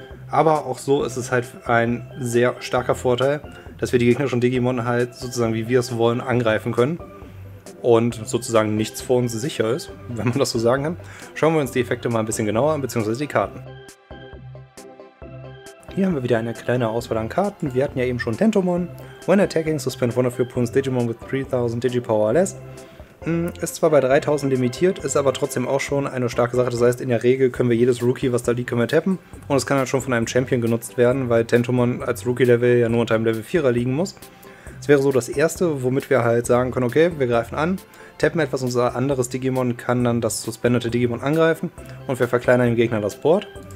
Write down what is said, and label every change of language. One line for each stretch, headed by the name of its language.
German: Aber auch so ist es halt ein sehr starker Vorteil, dass wir die gegnerischen Digimon halt sozusagen, wie wir es wollen, angreifen können. Und sozusagen nichts vor uns sicher ist, wenn man das so sagen kann. Schauen wir uns die Effekte mal ein bisschen genauer an, beziehungsweise die Karten. Hier haben wir wieder eine kleine Auswahl an Karten. Wir hatten ja eben schon Tentomon.
English: When attacking, suspend one of your opponent's Digimon with 3000 Digipower or less.
German: Ist zwar bei 3000 limitiert, ist aber trotzdem auch schon eine starke Sache. Das heißt, in der Regel können wir jedes Rookie, was da liegt, können wir tappen. Und es kann halt schon von einem Champion genutzt werden, weil Tentomon als Rookie-Level ja nur unter einem Level 4er liegen muss. Das wäre so das Erste, womit wir halt sagen können, okay, wir greifen an, tappen etwas, unser anderes Digimon kann dann das suspendete Digimon angreifen und wir verkleinern dem Gegner das Board.